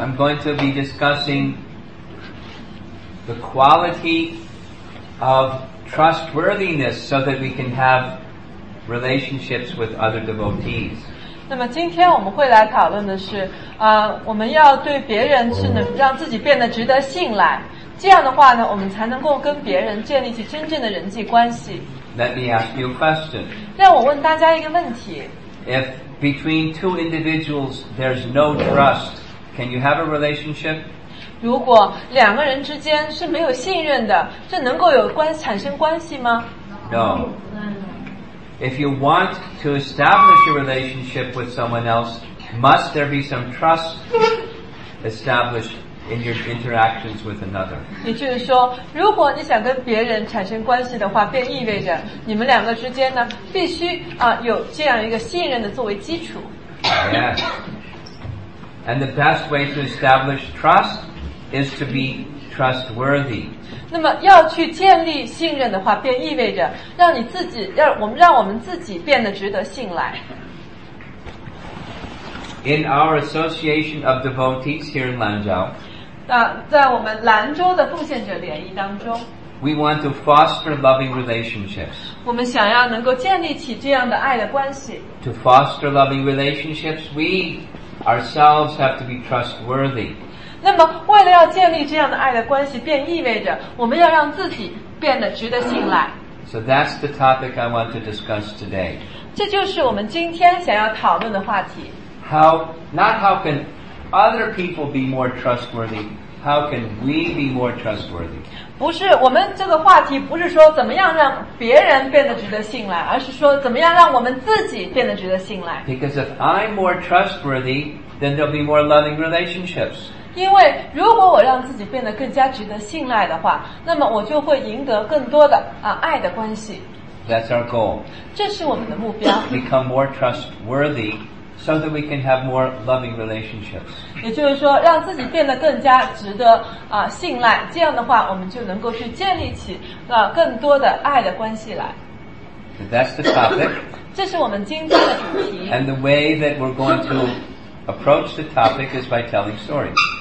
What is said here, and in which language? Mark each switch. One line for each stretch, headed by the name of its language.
English: I'm going to be discussing the quality of trustworthiness so that we can have relationships with other devotees.
Chinese: 那么今天我们会来讨论的是, 我们要对别人是能让自己变得值得信赖。这样的话呢, 我们才能够跟别人建立起真正的人际关系。
English: Let me ask you a question.
Chinese: 让我问大家一个问题。
English: If between two individuals there's no trust, can you have a relationship?
Chinese: 如果两个人之间是没有信任的, 这能够有产生关系吗?
English: No. If you want to establish a relationship with someone else, must there be some trust established in your interactions with another.
Chinese: 也就是说，如果你想跟别人产生关系的话，便意味着你们两个之间呢，必须啊有这样一个信任的作为基础。
English: Yes. And the best way to establish trust is to be trustworthy.
Chinese: 那么要去建立信任的话，便意味着让你自己，让我们自己变得值得信赖。
English: In our association of devotees here in Lanzhou,
Chinese: 在我们兰州的奉献者联谊当中
English: ，we want to foster loving relationships.
Chinese: 我们想要能够建立起这样的爱的关系。
English: To foster loving relationships, we ourselves have to be trustworthy.
Chinese: 那么，为了要建立这样的爱的关系，便意味着我们要让自己变得值得信赖。
English: So that's the topic I want to discuss today.
Chinese: 这就是我们今天想要讨论的话题。
English: How can other people be more trustworthy? How can we be more trustworthy?
Chinese: 不是，我们这个话题不是说怎么样让别人变得值得信赖，而是说怎么样让我们自己变得值得信赖。
English: Because if I'm more trustworthy, then there'll be more loving relationships.
Chinese: 因为如果我让自己变得更加值得信赖的话，那么我就会赢得更多的爱的关系。
English: That's our goal.
Chinese: 这是我们的目标。
English: Become more trustworthy. So that we can have more loving relationships.
Chinese: 也就是说，让自己变得更加值得信赖。这样的话，我们就能够去建立起更多的爱的关系来。
English: That's the topic.
Chinese: 这是我们今天的主题。
English: And the way that we're going to approach the topic is by telling stories.